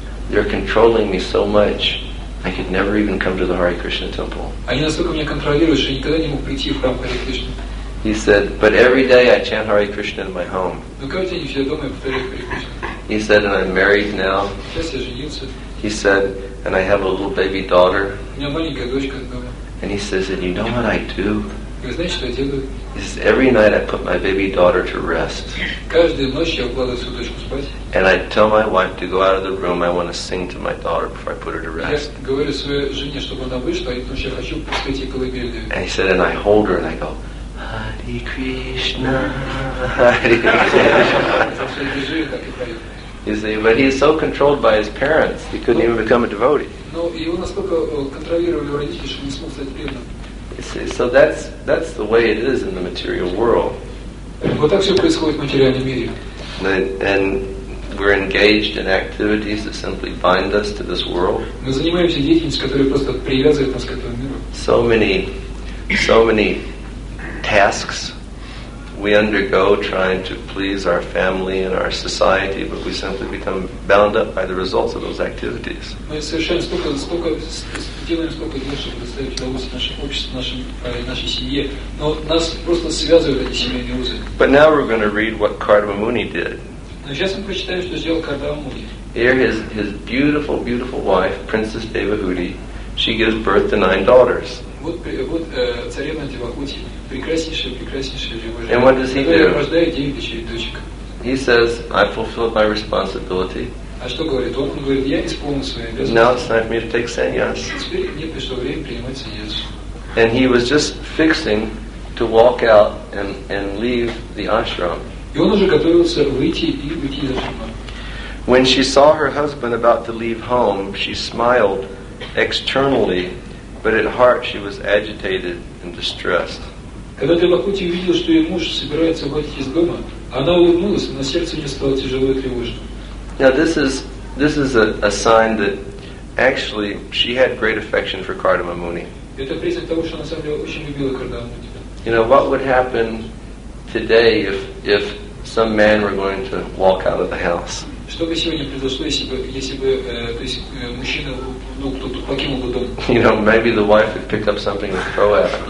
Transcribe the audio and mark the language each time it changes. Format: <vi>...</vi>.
<en>They're controlling me so much. I could never even come to the Hare Krishna temple.</en> <ru>Они настолько меня контролируют, что я никогда не мог прийти в храм Hare Krishna.</ru> <en>He said, but every day I chant Hare Krishna in my home.</en> <ru>Но каждый день я дома повторяю Hare Krishna.</ru> <en>He said, and I'm married now.</en> <ru>Сейчас я женился.</ru> <en>He said, and I have a little baby daughter.</en> <ru>У меня маленькая дочка дома.</ru> <en>And he says, and you know what I do?</en> <ru>Вы знаете, что я делаю?</ru> <en>He says, every night I put my baby daughter to rest.</en> <ru>Каждую ночь я укладываю свою дочку спать.</ru> <en>And I tell my wife to go out of the room. I want to sing to my daughter before I put her to rest.</en> <ru>Я говорю своей жене, чтобы она вышла, потому что я хочу спеть ей колыбельную.</ru> <en>And he said, and I hold her and I go, Hare Krishna, Hare Krishna. You see, but he is so controlled by his parents, he couldn't even become a devotee.</en> <ru>Но его настолько контролировали родители, что не смог стать преданным.</ru> <en>See, so that's the way it is in the material world.</en> <ru>Вот так все происходит в материальном мире.</ru> <en>And we're engaged in activities that simply bind us to this world.</en> <ru>Мы занимаемся деятельностью, которая просто привязывает нас к этому миру.</ru> <en>So many tasks we undergo trying to please our family and our society, but we simply become bound up by the results of those activities.</en> <ru>Мы совершенно столько дел, чтобы доставить удовольствие нашему обществу, нашей семье, но нас просто связывают эти семейные узы.</ru> <en>But now we're going to read what Kardama Muni did.</en> <ru>Но сейчас мы прочитаем, что сделал Кардама Муни.</ru> <en>Here his beautiful, beautiful wife, Princess Devahuti, she gives birth to 9 daughters.</en> <ru>Вот царевна Девахути.</ru> <en>And what does he do? He says, I fulfilled my responsibility. Now it's time for me to take sannyas. And he was just fixing to walk out and leave the ashram. When she saw her husband about to leave home, she smiled externally, but at heart she was agitated and distressed.</en> <ru>Когда Девахути увидела, что ее муж собирается уходить из дома, она улыбнулась, но сердце у нее стало тяжело и тревожно.</ru> <en>Now this is a sign that actually she had great affection for Kardama Muni.</en> <ru>Это признак того, что она на самом деле очень любила Кардама Муни.</ru> <en>You know, what would happen today if some man were going to walk out of the house?</en> <ru>Что бы сегодня произошло, если бы мужчина, ну, кто-то покинул бы дом?</ru> <en>You know, maybe the wife would pick up something to throw at him.</en>